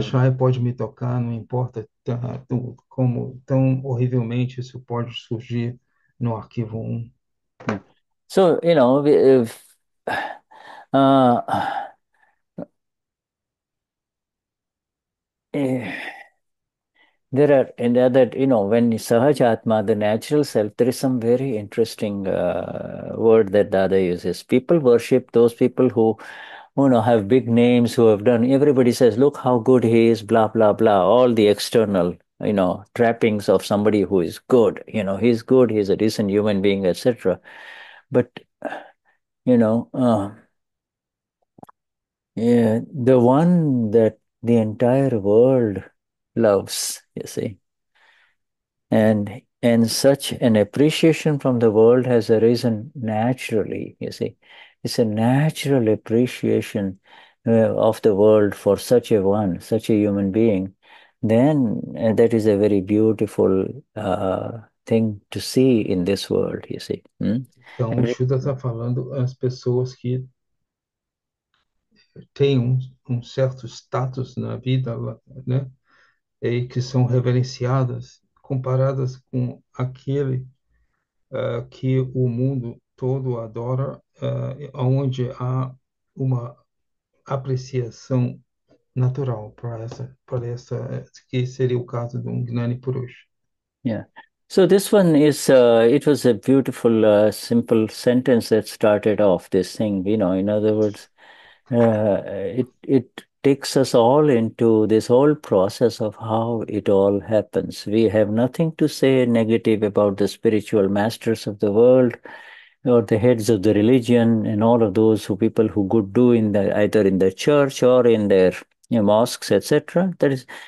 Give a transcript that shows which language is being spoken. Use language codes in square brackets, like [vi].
[pt] cachorro pode me tocar, não importa como tão horrivelmente isso pode surgir no arquivo 1. [en] So, you know, there are, and that, you know, when Sahajatma, the natural self, there is some very interesting word that Dada uses. People worship those people who, you know, have big names, who have done. Everybody says, look how good he is, blah, blah, blah. All the external, you know, trappings of somebody who is good. You know, he's good, he's a decent human being, etc. But, you know, the one that the entire world loves, you see. And such an appreciation from the world has arisen naturally, you see. It's a natural appreciation of the world for such a one, such a human being. Then that is a very beautiful thing to see in this world, you see. [pt] Então, o Shuddha está falando as pessoas que têm um certo status na vida, né, e que são reverenciadas, comparadas com aquele que o mundo todo adora, onde há uma apreciação natural para essa que seria o caso de um Gnani Purush. [en] Yeah. So this one is, it was a beautiful, simple sentence that started off this thing. You know, in other words, it takes us all into this whole process of how it all happens. We have nothing to say negative about the spiritual masters of the world, or the heads of the religion, and all of those who people who could do in the either in the church or in their mosques, etc. That is.